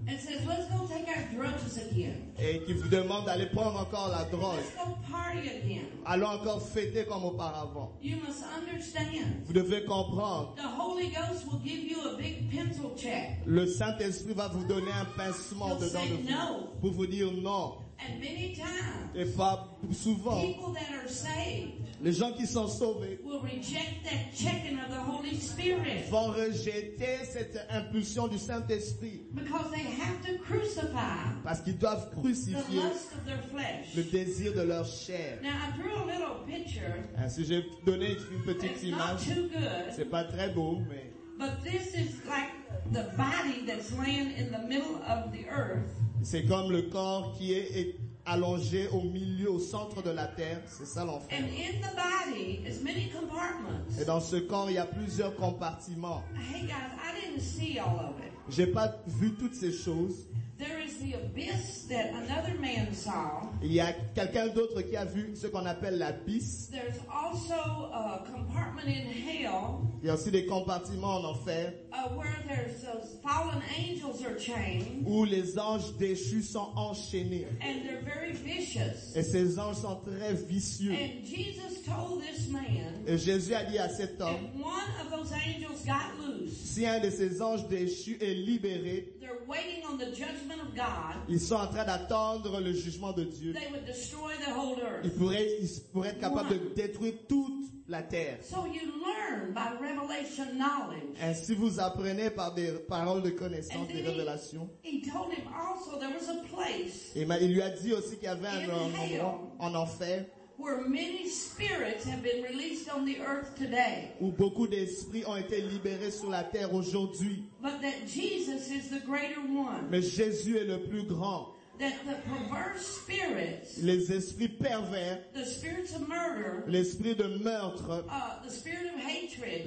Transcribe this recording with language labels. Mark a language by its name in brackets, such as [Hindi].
[English] and says, let's go take our drugs again, [French] et qui vous demande d'aller prendre encore la drogue, [English] let's go party again, [French] allons encore fêter comme auparavant. [English] You must understand, [French] vous devez comprendre, [English] the Holy Ghost will give you a big pencil check, [French] le Saint-Esprit va vous donner un pincement dedans de vous, [English] no, [French] pour vous dire non. [English] And many times, [French] et pas souvent, [English] people that are saved, [French] les gens qui sont sauvés, [English] will reject that checking of the Holy Spirit, [French] vont rejeter cette impulsion du Saint-Esprit, [English] because they have to crucify, [French] parce qu'ils doivent crucifier, [English] the lust of their flesh, [French] le désir de leur chair. [English] Now I drew a little picture. [French] Ainsi j'ai donné une petite [English] it's [French] image. [English] Not too good, [French] c'est pas très beau, mais. [English] But this is like the body that's laying in the middle of the earth. [French] C'est comme le corps qui est allongé au milieu, au centre de la terre. C'est ça l'enfer. [English] And in the body is many compartments. [French] Et dans ce corps, il y a plusieurs compartiments. [English] Hey guys, I didn't see all of it. [French] J'ai pas vu toutes ces choses. [English] There is the abyss that another man saw. [French] Il y a quelqu'un d'autre qui a vu ce qu'on appelle l'abysse. [English] There's also a compartment in hell. [French] Il y a aussi des compartiments en enfer. [English] Where there's those fallen angels are chained. [French] Où les anges déchus sont enchaînés. [English] And they're very vicious. [French] Et ces anges sont très vicieux. [English] And Jesus told this man. [French] Et Jésus a dit à cet homme. [English] If one of those angels got loose. [French] Si un de ces anges déchus est libéré. [English] They're waiting on the judgment of God. [French] Ils sont en train d'attendre le jugement de Dieu. [English] They would destroy the whole earth. [French] Ils pourraient être capables de détruire toute la terre. [English] So you learn by revelation knowledge. [French] Ainsi vous apprenez par des paroles de connaissance, [English] and [French] des révélations. [English] He told him also there was a place. [French] Et il lui a dit aussi qu'il y avait un endroit en enfer. [English] Where many spirits have been released on the earth today. [French] Où beaucoup d'esprits ont été libérés sur la terre aujourd'hui. [English] But that Jesus is the greater one. [French] Mais Jésus est le plus grand. [English] That the perverse spirits, [French] les esprits pervers, [English] the spirits of murder, [French] l'esprit de meurtre, [English] the spirit of hatred,